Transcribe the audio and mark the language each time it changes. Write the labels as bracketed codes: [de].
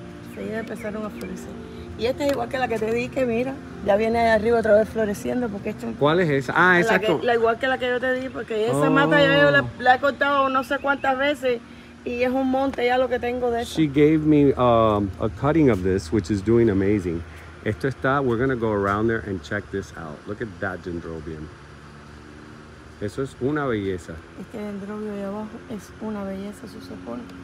[es] Enseguida empezaron a florecer. Y esta es igual que la que te di, que mira. Ya viene de arriba otra vez floreciendo porque esto. ¿Cuál es esa? Ah, esa es la igual que la que yo te di, porque esa mata ya yo la he cortado no sé cuántas veces. Y es un monte ya lo que tengo de [en] She [es] esta. [en] Gave me a cutting of this, which is doing amazing. [es] Esto está, [en] we're going to go around there and check this out. Look at that dendrobium. [es] Eso es una belleza. Este dendrobio de abajo es una belleza, se supone.